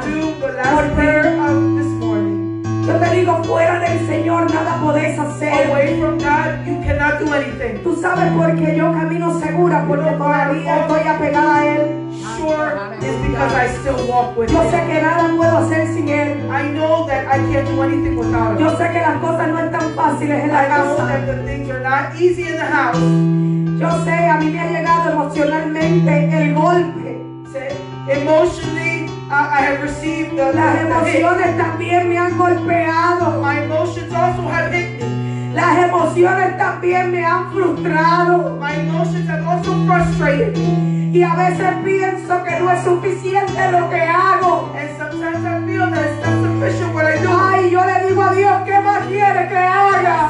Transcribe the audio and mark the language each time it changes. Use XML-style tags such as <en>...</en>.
<en>Want to do the last prayer of this morning.</en> <es>Yo te digo, fuera del Señor nada podés hacer.</es> <en>Away from God, you cannot do anything.</en> <es>Tú sabes por qué yo camino segura, porque todavía estoy apegada a Él.</es> <en>Sure, it's because I still walk with</en> <es>yo</es> <en>Him.</en> <es>Yo sé que nada puedo hacer sin Él.</es> <en>I know that I can't do anything without Him.</en> <es>Yo sé que las cosas no están fáciles en</es> <en>I</en> <es>la casa.</es> <en>I know that the things are not easy in the house.</en> <es>Yo sé, a mí me ha llegado emocionalmente el golpe.</es> <en>Emotionally. I have received the</en> <es>las emociones</es> <en>the</en> <es>también me han golpeado.</es> <en>My emotions also have hit me.</en> <es>Las emociones también me han frustrado.</es> <en>My emotions have also frustrated me.</en> <es>Y a veces pienso que no es suficiente lo que hago.</es> <en>And sometimes I feel that it's not sufficient what I do.</en> <es>Ay, yo le digo a Dios, ¿qué más quiere que haga?</es>